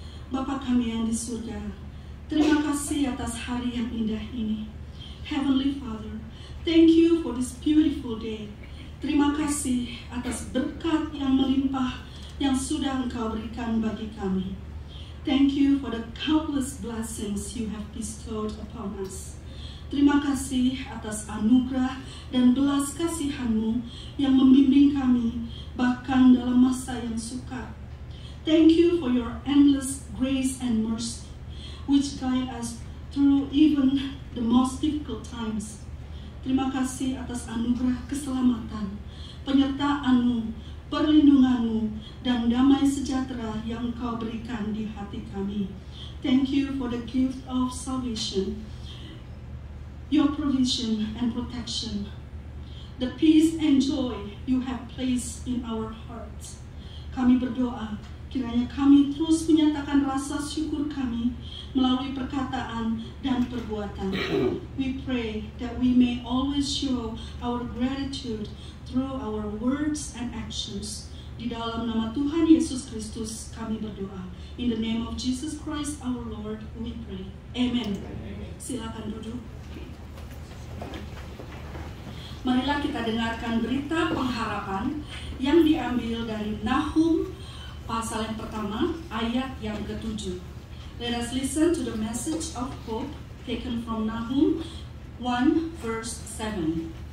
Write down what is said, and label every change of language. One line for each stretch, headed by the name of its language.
Indonesian: Bapa kami yang di surga, terima kasih atas hari yang indah ini.
English: Heavenly Father, thank you for this beautiful day.
Indonesian: Terima kasih atas berkat yang melimpah yang sudah Engkau berikan bagi kami.
English: Thank you for the countless blessings you have bestowed upon us.
Indonesian: Terima kasih atas anugerah dan belas kasihan-Mu yang membimbing kami bahkan dalam masa yang sukar.
English: Thank you for your endless grace and mercy which guide us through even the most difficult times.
Indonesian: Terima kasih atas anugerah keselamatan, penyertaan-Mu, perlindungan-Mu, dan damai sejahtera yang Kau berikan di hati kami.
English: Thank you for the gift of salvation, your provision and protection, the peace and joy you have placed in our hearts.
Indonesian: Kami berdoa, kiranya kami terus menyatakan rasa syukur kami melalui perkataan dan perbuatan.
English: We pray that we may always show our gratitude through our words and actions.
Indonesian: Di dalam nama Tuhan Yesus Kristus, kami berdoa.
English: In the name of Jesus Christ, our Lord, we pray.
Indonesian: Amen. Silakan duduk. Marilah kita dengarkan berita pengharapan yang diambil dari Nahum pasal yang pertama ayat yang ketujuh.
English: Let us listen to the message of hope taken from Nahum 1 verse 7.